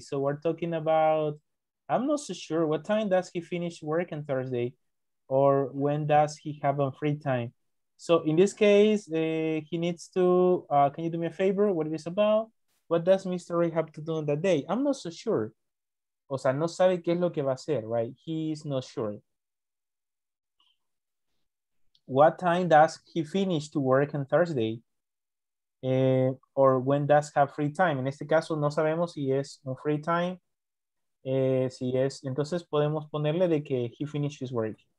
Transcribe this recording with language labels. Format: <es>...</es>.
<en>So we're talking about, I'm not so sure, what time does he finish work on Thursday? Or when does he have a free time? So in this case, he needs to, can you do me a favor? What is this about? What does Mr. Rui have to do on that day? I'm not so sure.</en> <es>O sea, no sabe qué es lo que va a hacer,</es> <en>right? He's not sure. What time does he finish to work on Thursday? Or when does have free time?</en> <es>En este caso, no sabemos si es un free time. Si es, entonces podemos ponerle de que</es> <en>he finishes work.</en>